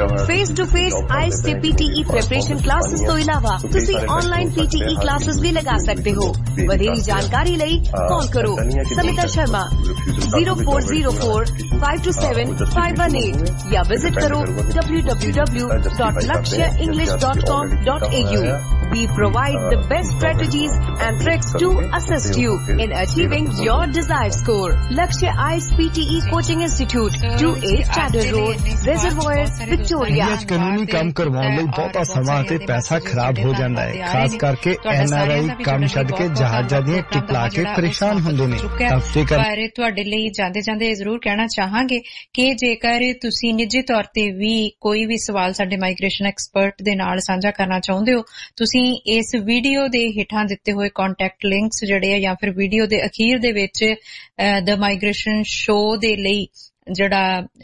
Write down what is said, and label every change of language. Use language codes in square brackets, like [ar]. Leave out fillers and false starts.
[pa] Face to face IELTS ਤੇ PTE preparation classes ਤੋਂ ਇਲਾਵਾ ਤੁਸੀਂ ਆਨਲਾਈਨ PTE ਕਲਾਸਿਸ ਵੀ ਲਗਾ ਸਕਦੇ ਹੋ। ਵਧੇਰੇ ਜਾਣਕਾਰੀ ਲਈ ਕਾਲ ਕਰੋ ਸਮਿਤਾ ਸ਼ਰਮਾ 0404-527-518 ਜਾਂ ਵਿਜ਼ਿਟ ਕਰੋ www.lakshyaenglish.com.au। [en] We provide the best strategies and tricks to assist you in achieving your desired score. Lakshya IELTS PTE Coaching Institute, 28 Chatter Road, Reservoir, Victoria. [pa] ਅੱਜ ਕਾਨੂੰਨੀ ਕੰਮ ਕਰਵਾਉਣ ਲਈ ਬਹੁਤਾ ਸਮਾਂ ਤੇ ਪੈਸਾ ਖਰਾਬ ਹੋ ਜਾਂਦਾ ਹੈ, ਖਾਸ ਕਰਕੇ NRI ਕੰਮ ਛੱਡ ਕੇ ਜਹਾਜ਼ਾਂ ਦੀਆਂ ਟਿਪਲਾ ਕੇ ਪਰੇਸ਼ਾਨ ਹੁੰਦੇ ਨੇ। ਬਾਰੇ ਤੁਹਾਡੇ ਲਈ ਜਾਂਦੇ ਜਾਂਦੇ ਇਹ ਜ਼ਰੂਰ ਕਹਿਣਾ ਚਾਹਾਂਗੇ ਕਿ ਜੇਕਰ ਤੁਸੀਂ ਨਿੱਜੀ ਤੌਰ ਤੇ ਵੀ ਕੋਈ ਵੀ ਸਵਾਲ ਸਾਡੇ ਮਾਈਗ੍ਰੇਸ਼ਨ ਐਕਸਪਰਟ ਦੇ ਨਾਲ ਸਾਂਝਾ ਕਰਨਾ ਚਾਹੁੰਦੇ ਹੋ, ਤੁਸੀਂ ਇਸ ਵੀਡੀਓ ਦੇ ਹੇਠਾਂ ਦਿੱਤੇ ਹੋਏ ਕੰਟੈਕਟ ਲਿੰਕਸ ਜਿਹੜੇ ਆ ਜਾਂ ਫਿਰ ਵੀਡੀਓ ਦੇ ਅਖੀਰ ਦੇ ਵਿੱਚ ਦ ਮਾਈਗ੍ਰੇਸ਼ਨ ਸ਼ੋ ਦੇ ਲਈ ਜਿਹੜਾ